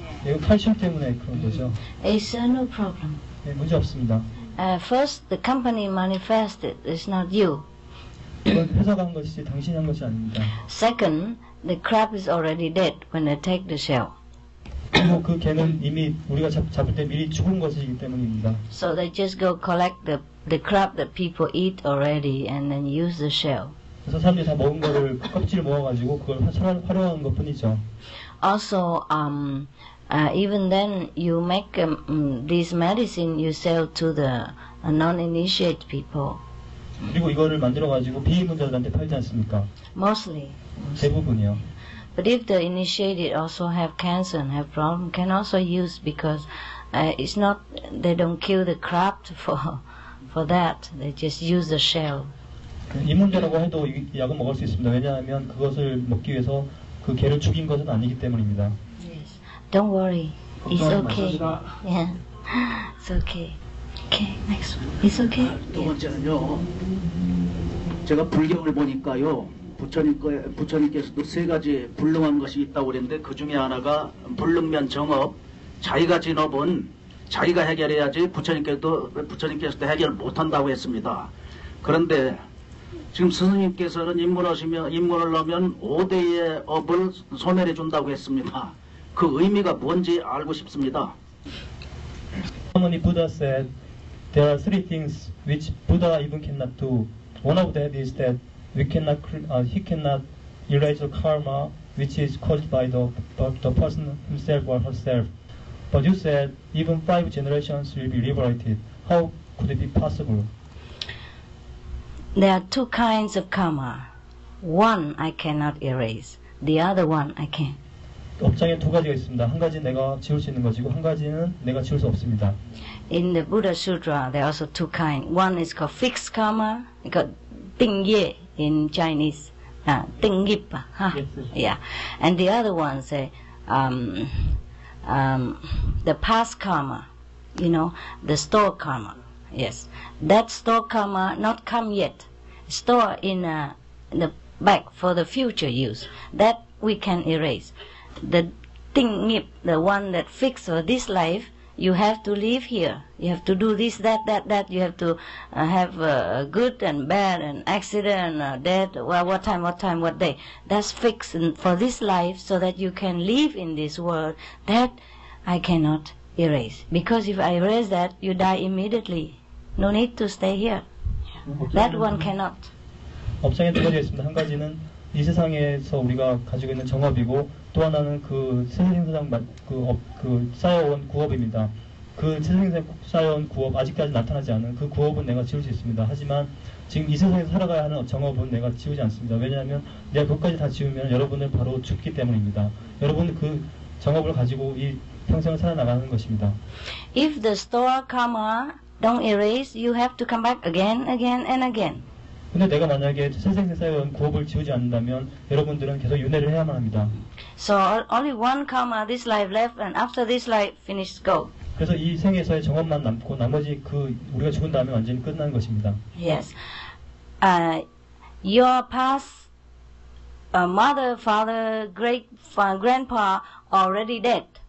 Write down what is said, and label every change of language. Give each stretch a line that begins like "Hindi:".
Korean: 예, 칼슘 때문에 그런 거죠.
English: It's no problem.
Korean: 예, 문제 없습니다.
English: First, the company manifested. It's not you.
Korean: 회사가 한 것이지 당신이 한 것이 아닙니다.
English: Second, the crab is already dead when I take the shell.
Korean: 그 개는 이미 우리가 잡을 때 미리 죽은 것이기 때문입니다.
English: So they just go collect the crab that people eat already and then use the shell.
Korean: 그래서 사람들이 다 먹은 거를 그 껍질을 모아가지고 그걸 활용한 것뿐이죠.
English: Also, even then you make this medicine you sell to the non-initiate people.
Korean: 그리고 이거를 만들어가지고 비입문자들한테 팔지 않습니까?
English: Mostly.
Korean: 대부분이요.
English: But if the initiated also have cancer and have problem, can also use because it's not they don't kill the crab for that. They just use the shell.
Korean: 입문자라고 해도 약은 먹을 수 있습니다. 왜냐하면 그것을 먹기 위해서 그 개를 죽인 것은 아니기 때문입니다.
English: Yes, don't worry. It's okay. Yeah, it's okay. Okay, next one. It's okay.
Korean: 두 번째는요. 제가 불경을 보니까요. 부처님께서도 세 가지 불능한 것이 있다고 그랬는데 그 중에 하나가 불능면 정업, 자기가 진 업은 자기가 해결해야지 부처님께서도 해결 못한다고 했습니다. 그런데 지금 스승님께서는 입문을 하면 5대의 업을 소멸해 준다고 했습니다. 그 의미가 뭔지 알고 싶습니다.
English: Harmony Buddha said there are three things which Buddha even cannot do. One of that is that he cannot erase the karma which is caused by the person himself or herself. But you said even five generations will be liberated. How could it be possible? There are two kinds of karma. one I cannot erase. The other one I can.
Korean: 업장에 두 가지가 있습니다. 한 가지 내가 지울 수 있는 것이고 한 가지는 내가 지울 수 없습니다.
English: In the Buddha Sutra, there are also two kinds. One is called fixed karma, called 띵예 in Chinese. 띵기파. Yes. Yeah. And the other one say, the past karma, you know, the store karma. Yes. That store karma not come yet. Store in the back for the future use. That we can erase. The tingip, the one that fix for this life, you have to live here. You have to do this, that. You have to have good and bad and accident, death, well, what time, what day. That's fixed for this life so that you can live in this world. That I cannot erase. Because if I erase that, you die immediately. No need to stay here. That one cannot.
Korean: 업장에 두 가지 있습니다. 한 가지는 이 세상에서 우리가 가지고 있는 정업이고 또 하나는 그 세상에서 그 쌓여온 구업입니다. 그 세상에서 쌓여온 구업 아직까지 나타나지 않은 그 구업은 내가 지울 수 있습니다. 하지만 지금 이 세상에서 살아가야 하는 정업은 내가 지우지 않습니다. 왜냐하면 내가 그것까지 다 지우면 여러분은 바로 죽기 때문입니다. 여러분은 그 정업을 가지고 이 평생을 살아나가는 것입니다.
English: If the store karma don't erase, you have to come back again, again, and again.
Korean: 근데 내가 만약에 세상에서 구업을 지우지 않는다면 여러분들은 계속 윤회를 해야만 합니다.
English: So only one karma this life left and after this life finished go.
Korean: 그래서 이 생에서의 정업만 남고 나머지 그 우리가 죽은 다음에 완전히 끝난 것입니다.
English: Yes. Your past mother, father, great grandpa already dead.